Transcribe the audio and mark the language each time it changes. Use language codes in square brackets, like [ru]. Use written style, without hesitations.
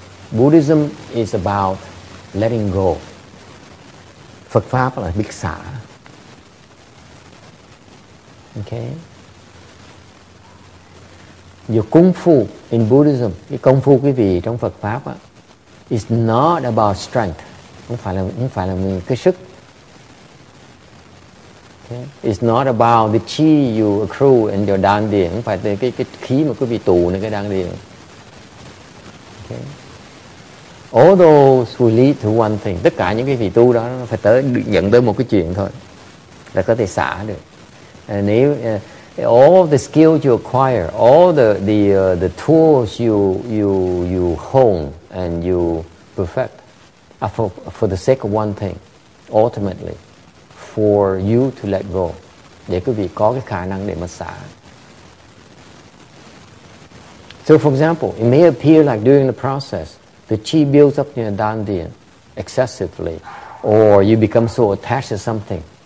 [en] Buddhism is about letting go. [vi] Phật Pháp là biết xả. [en] Okay. Your kung fu in Buddhism, [vi] cái công phu quý vị trong Phật Pháp á, [en] is not about strength. [vi] Không phải là cái sức. [en] Okay. It's not about the chi you accrue in your dan điền. [vi] Không phải là cái khí mà quý vị tụ nơi cái dan điền. Okay. [en] All those will lead to one thing. [vi] Tất cả những cái vị tu đó phải tới dẫn tới một cái chuyện thôi là có thể xả được. [en] And if, all the skills you acquire, all the tools you hone and you perfect are for the sake of one thing, ultimately, for you to let go. [vi] Để quý vị có cái khả năng để mà xả. [en] So for example, it may appear like during the process, the chi builds up in your dandian excessively, or you become so attached to something.